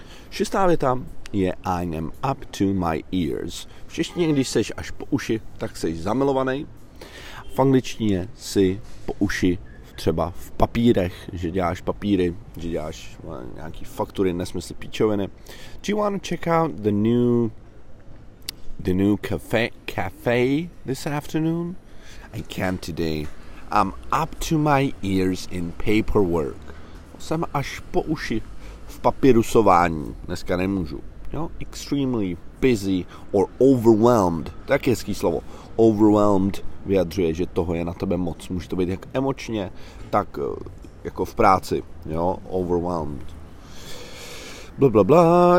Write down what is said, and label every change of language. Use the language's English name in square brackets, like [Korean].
[Czech] Šestá věta je [English] I am up to my ears. [Czech] V češtině, když seš až po uši, tak seš zamilovaný. V angličtině si po uši třeba v papírech, že děláš papíry, že děláš nějaký faktury, nesmysly, píčoviny. [English] Do you want to check out the new cafe this afternoon? I can't today. I'm up to my ears in paperwork. [Czech] Jsem až po uši v papírusování. Dneska nemůžu. Jo? [English] Extremely busy or overwhelmed. [Czech] Tak je hezký slovo. Overwhelmed vyjadřuje, že toho je na tebe moc. Může to být jak emočně, tak jako v práci. Jo? Overwhelmed. Blablabla.